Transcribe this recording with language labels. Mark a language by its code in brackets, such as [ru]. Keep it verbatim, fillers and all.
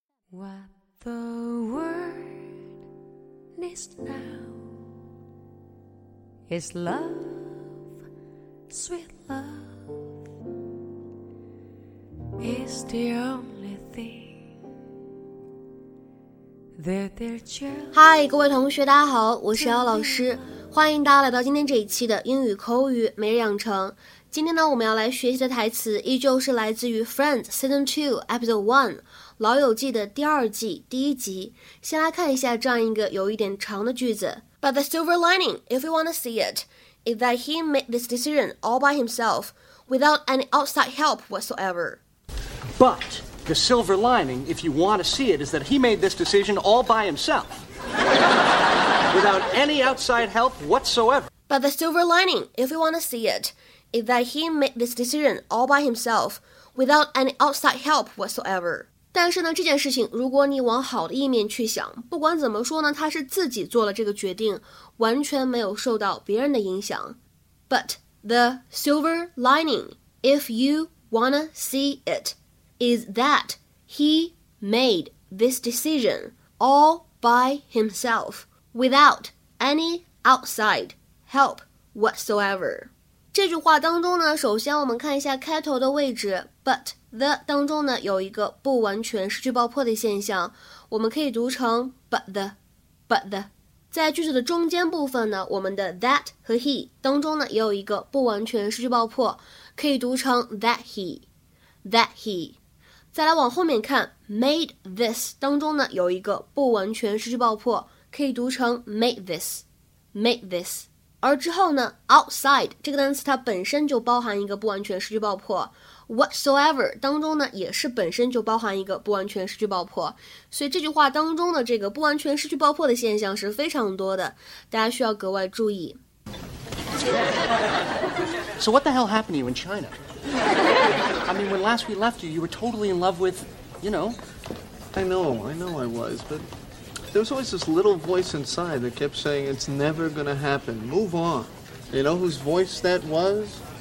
[en] What the world needs now is love, sweet love. It's the only thing that they're just. [zh] 嗨，各位同学，大家好，我是姚老师，欢迎大家来到今天这一期的英语口语每日养成。今天呢，我们要来学习的台词依旧是来自于 Friends Season two Episode one 老友记的第二季第一集。先来看一下这样一个有一点长的句子。 [en] But the silver lining, if you want to see it, is that he made this decision all by himself, without any outside help whatsoever. But the silver lining, if you want to see it, is that he made this decision all by himself, without any outside help whatsoever. But the silver lining, if you want to see it,is that he made this decision all by himself, without any outside help whatsoever. [zh] 但是呢，这件事情如果你往好的一面去想，不管怎么说呢，他是自己做了这个决定，完全没有受到别人的影响。 [en] But the silver lining, if you wanna see it, is that he made this decision all by himself, without any outside help whatsoever. [zh] 这句话当中呢，首先我们看一下开头的位置 ，but the 当中呢有一个不完全失去爆破的现象，我们可以读成 but the but the。在句子的中间部分呢，我们的 that 和 he 当中呢也有一个不完全失去爆破，可以读成 that he that he。再来往后面看 made this 当中呢有一个不完全失去爆破，可以读成 made this made this。而之后呢 outside 这个单词它本身就包含一个不完全失去爆破 whatsoever 当中呢也是本身就包含一个不完全失去爆破，所以这句话当中的这个不完全失去爆破的现象是非常多的，大家需要格外注意。 [en] So what the hell happened to you in China? I mean, when last we left you, you were totally in love with, you know. I know, I know I was, but... There was always this little voice inside that kept saying, it's never going to happen. Move on. You know whose voice that was?